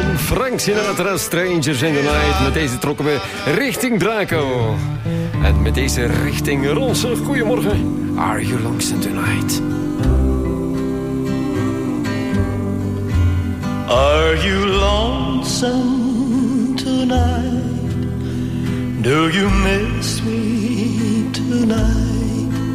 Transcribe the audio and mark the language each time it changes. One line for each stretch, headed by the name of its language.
English: Frank Sinatra, Strangers in the Night.
Dutch: Met deze trokken we richting Draco. En met deze richting Ronse. Goedemorgen.
English: Are you lonesome tonight? Are you lonesome tonight? Do you miss me tonight?